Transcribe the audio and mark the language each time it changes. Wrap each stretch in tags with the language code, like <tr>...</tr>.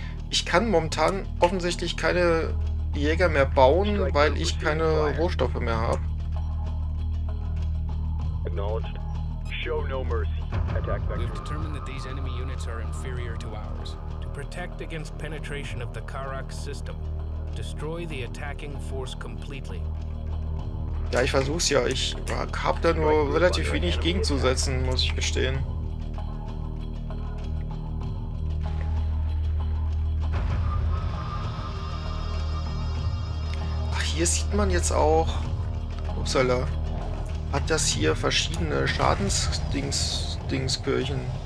<de>Ich kann momentan offensichtlich keine Jäger mehr bauen, weil ich keine Rohstoffe mehr habe.</de> <en>Acknowledged. Show no mercy. Attack vector. We've determined that these enemy units are inferior to ours. To protect against penetration of the Karak system, destroy the attacking force completely.</en> <de>Ja, ich versuch's ja. Ich hab da nur relativ wenig gegenzusetzen, muss ich gestehen. Hier sieht man jetzt auch, upsala, hat das hier verschiedene Schadensdingskirchen.</de>